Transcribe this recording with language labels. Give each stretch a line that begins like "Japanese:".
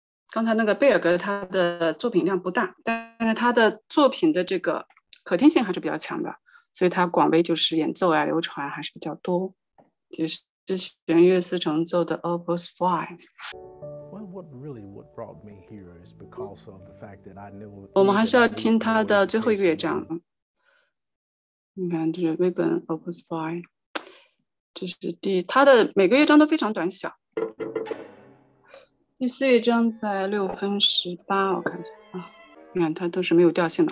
Chinese: 刚才那个贝尔格他的作品量不大，但是他的作品的这个可听性还是比较强的，所以它广为就是演奏啊流传还是比较多，就是弦乐四重奏的 Opus 5。
English: Well, what really what brought me here is because of the fact that I knew
Chinese: 我们还是要听它的最后一个乐章。你看这是威本 Opus 5， 这是第它的每个乐章都非常短小，第四乐章在6:18，我看一下啊，你看它都是没有调性的。